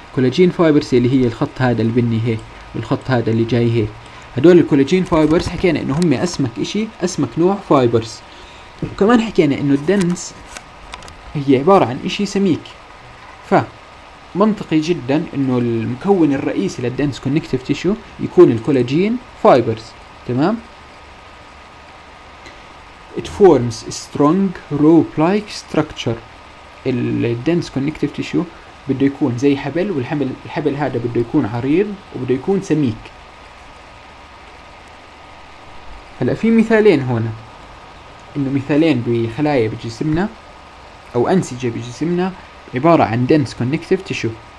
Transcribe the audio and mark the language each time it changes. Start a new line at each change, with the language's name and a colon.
Arabic: كولاجين فايبرز اللي هي الخط هذا البني هي والخط هذا اللي جاي هي، هدول الكولاجين فايبرز حكينا انه هم اسمك اشي، اسمك نوع فايبرز. وكمان حكينا انه الدنس هي عبارة عن اشي سميك، ف منطقي جدا انه المكون الرئيسي للدنس كونكتيف تيشو يكون الكولاجين فايبرز، تمام.
English: It forms strong rope like structure.
Arabic: الدنس كونكتيف تيشو بده يكون زي حبل، والحبل الحبل هذا بده يكون عريض وبده يكون سميك. هلا في مثالين هنا، انه مثالين بخلايا بجسمنا او انسجه بجسمنا عبارة عن dense connective tissue.